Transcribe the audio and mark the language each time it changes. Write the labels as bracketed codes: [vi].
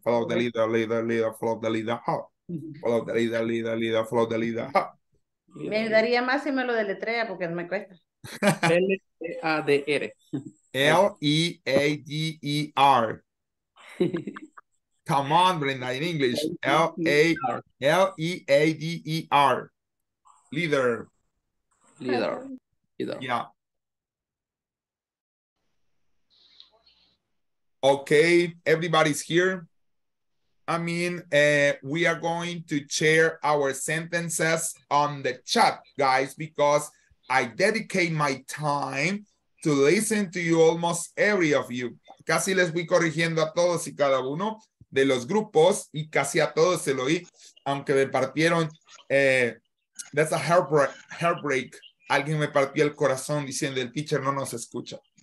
[en] Follow the leader, leader, leader, follow the leader, ha. Follow the leader, leader, leader, follow the leader, ha. [es] Me daría más si me lo deletrea porque me cuesta. L-E-A-D-R. [en] L-E-A-D-E-R. Come on, Brenda, in English. L-E-A-D-E-R. Leader. Leader. Leader. Yeah. Okay, everybody's here. We are going to share our sentences on the chat, guys, because I dedicate my time to listen to you, almost every of you. [es] Casi les voy corrigiendo a todos y cada uno de los grupos, y casi a todos se lo oí, aunque me partieron. [en] That's a heartbreak. [es] Alguien me partió el corazón diciendo, el teacher no nos escucha.